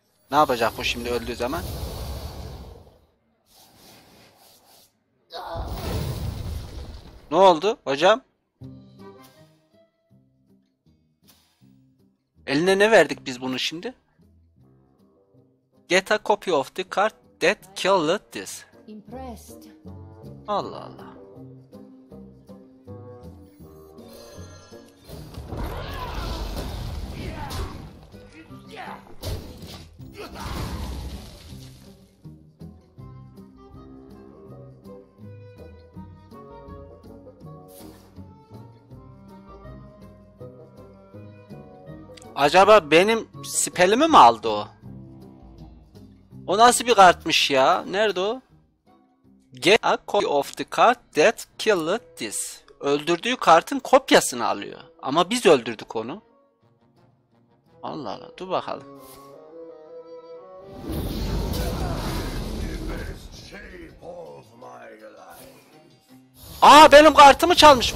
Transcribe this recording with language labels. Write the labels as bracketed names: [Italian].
[Turkish] Ne yapacak bu şimdi öldüğü zaman? Ne oldu hocam? Eline ne verdik biz bunu şimdi? [English] Get a copy of the card that killed this. Impressed. [Turkish] Allah Allah. Acaba benim spellimi mi aldı o? O nasıl bir kartmış ya? Nerede o? [English] Get a copy of the card that killed this. [Turkish] Öldürdüğü kartın kopyasını alıyor. Ama biz öldürdük onu. Allah Allah, dur bakalım. Aa, benim kartımı çalmış.